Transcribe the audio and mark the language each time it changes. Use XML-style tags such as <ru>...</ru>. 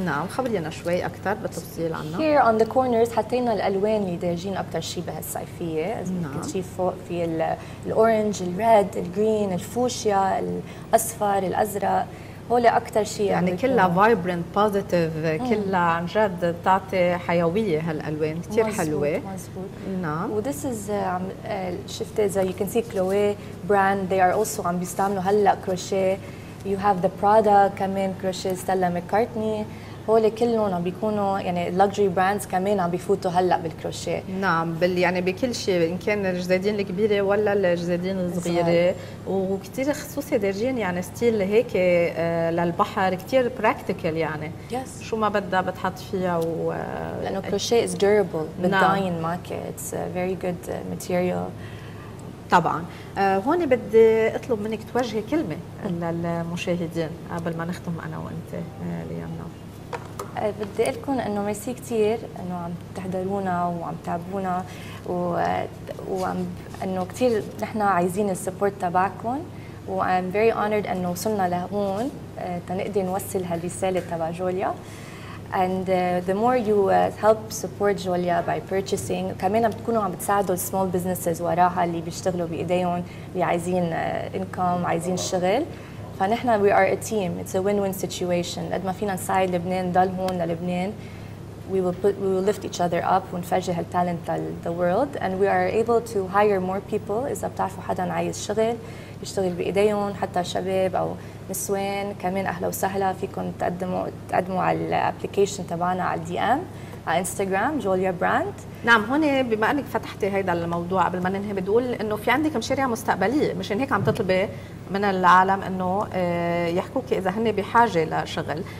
<ar>نعم خبرينا شوي أكثر بالتفصيل عنه.</ar> <en>Here on the corners</en> <ar>حطينا الألوان اللي دايجين أكثر شيء بهالصيفية. نعم. شيء فوق في الأورنج، الريد، الجرين، الفوشيا، الأصفر، الأزرق. هولي أكثر شيء. يعني كلها</ar> <en>vibrant, positive.</en> <ar>كلها عن جد تعطي حيوية هالألوان. كتير حلوة. نعم.</ar> <en>وthis is</en> <ar>شفت إذا</ar> <en>you can see Chloe brand they are also</en> <ar>عم بيستعملوا هلا كروشيه.</ar> <en>You have the Prada</en> <ar>كمان</ar> <en>Crochet Stella McCartney.</en> <ar>هولي كلهم عم بيكونوا يعني</ar> <en>luxury brands</en> <ar>كمان عم بيفوتوا هلا بالكروشيه. نعم بال يعني بكل شيء إن كان الجزادين الكبيرة ولا الجزادين الصغيرة. وكتير خصوصي درجين يعني ستيل هيك للبحر كتير practical يعني.</ar> <en>Yes.</en> <ar>شو ما بدها بتحط فيها و</ar> <en>لأنه crochet is durable</en> <ar>بالداين ماركت</ar> <en>very good material.</en> <ar>طبعا هون بدي أطلب منك توجهي كلمة للمشاهدين قبل ما نختم أنا وأنت اليوم. بدي أقول لكم أنه ميرسي كتير أنه عم تحضرونا وعم تعبونا وأنه كتير نحن عايزين السبورت تبعكم. و</ar> <en>I'm very honored</en> <ar>أنه وصلنا لهون تنقدر نوصل هالرسالة تبع جوليا.</ar> <en>And the more you help support Jolia by purchasing,</en> <ar>كمان بتكونوا عم بتساعدوا</ar> <en>small businesses</en> <ar>وراها اللي بيشتغلوا بإيديهم اللي عايزين income عايزين شغل. فنحن</ar> <en>we are a team. It's a win-win situation.</en> <ar>قد ما فينا نساعد لبنان ضل هون للبنان.</ar> <en>We will lift each other up</en> <ar>ونفرجي هالتالنت</ar> <en>للthe world. And we are able to hire more people.</en> <ar>إذا بتعرفوا حدا عايز شغل يشتغل بإيديهم حتى شباب أو نسوان كمان أهلا وسهلا فيكم تقدموا على الابليكيشن تبعنا على الدي أم على إنستغرام جوليا براند. نعم هون بما أنك فتحتي هيدا الموضوع قبل ما ننهي بتقول أنه في عندك مشاريع مستقبلية مشان هيك عم تطلبي من العالم أنه يحكوك إذا هن بحاجة لشغل.</ar>